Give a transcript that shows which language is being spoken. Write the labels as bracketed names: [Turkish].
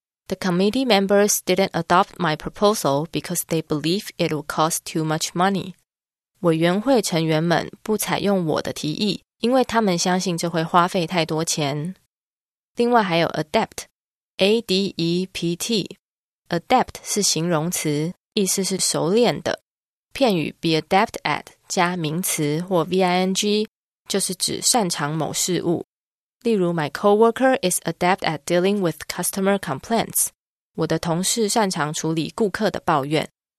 [English] The committee members didn't adopt my proposal because they believe it will cost too much money. [Chinese] 委员会成员们不采用我的提议，因为他们相信这会花费太多钱。另外还有 adapt, A-D-E-P-T. Adapt 是形容词，意思是熟练的。片语 be adept at 加名词或 ving 就是指擅长某事物。例如 [English] My coworker is adept at dealing with customer complaints. [Chinese] 我的同事擅长处理顾客的抱怨。